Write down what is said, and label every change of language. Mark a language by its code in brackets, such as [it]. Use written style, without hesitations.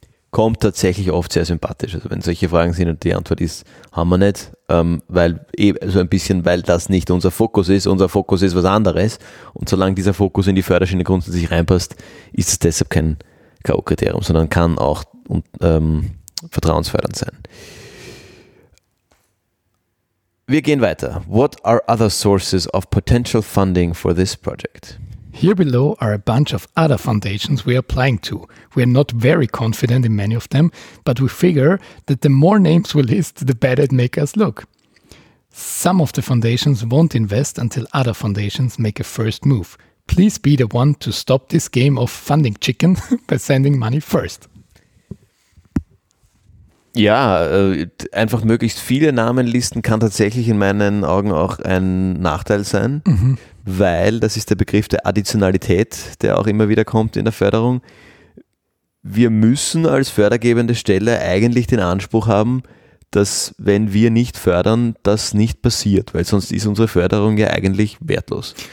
[de] Kommt tatsächlich oft sehr sympathisch. Also wenn solche Fragen sind und die Antwort ist, haben wir nicht, weil so ein bisschen, weil das nicht unser Fokus ist. Unser Fokus ist was anderes. Und solange dieser Fokus in die Förderschiene grundsätzlich reinpasst, ist es deshalb kein K.O.-Kriterium, sondern kann auch vertrauensfördernd sein. Wir gehen weiter. [en] What are other sources of potential funding for this project? Here below are a bunch of other foundations we are applying to. We are not very confident in many of them, but we figure that the more names we list, the better it makes us look. Some of the foundations won't invest until other foundations make a first move. Please be the one to stop this game of funding chicken by sending money first. [de] Ja, einfach möglichst viele Namen listen kann tatsächlich in meinen Augen auch ein Nachteil sein, weil das ist der Begriff der Additionalität, der auch immer wieder kommt in der Förderung. Wir müssen als fördergebende Stelle eigentlich den Anspruch haben, dass wenn wir nicht fördern, das nicht passiert, weil sonst ist unsere Förderung ja eigentlich wertlos.